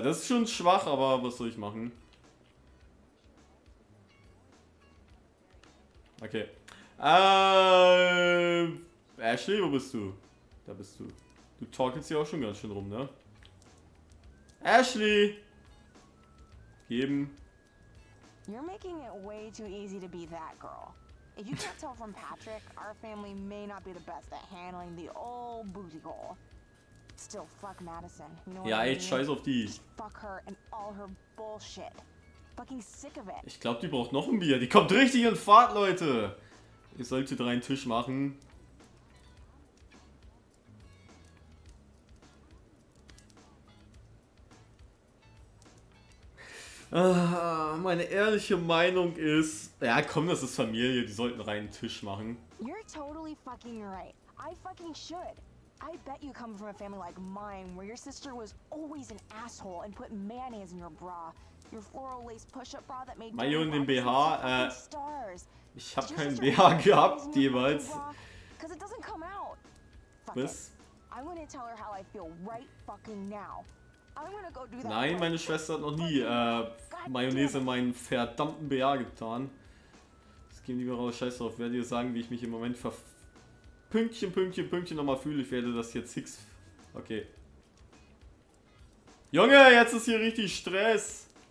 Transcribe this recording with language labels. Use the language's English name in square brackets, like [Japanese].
[German] Das ist schon schwach, aber was soll ich machen? Okay. Ashley, wo bist du? Da bist du. Du torkelst hier auch schon ganz schön rum, ne? Ashley! Geben. [English] You're making it way too easy to be that girl. If you can't tell from Patrick, our family may not be the best at handling the old booty goal. Still, fuck Madison. You know [German] ja, [English] what [German] ey, scheiß auf die. [English] Fuck her and all her bullshit. Fucking sick of it. [German] Ich glaube, die braucht noch ein Bier. Die kommt richtig in Fahrt, Leute. Ihr solltet reinen Tisch machen. Meine ehrliche Meinung ist, ja komm, das ist Familie, die sollten reinen Tisch machen. [English] You're totally fucking right. I fucking should. I bet you come from a family like mine, where your sister was always an asshole and put mayonnaise in your bra. Your floral lace push-up bra that made [German] Mayo in dem BH, ich hab keinen BH gehabt jeweils. [English] Cause it doesn't come out. [German] Was? [English] I'm gonna tell her how I feel right fucking now. I'm gonna go do that. [German] Nein, meine Schwester hat noch nie Mayonnaise in meinen verdammten BH getan. Das geht lieber raus, scheiß drauf. Werde dir sagen, wie ich mich im Moment Pünktchen nochmal fühle. Ich werde das jetzt six. Okay. Junge, jetzt ist hier richtig Stress.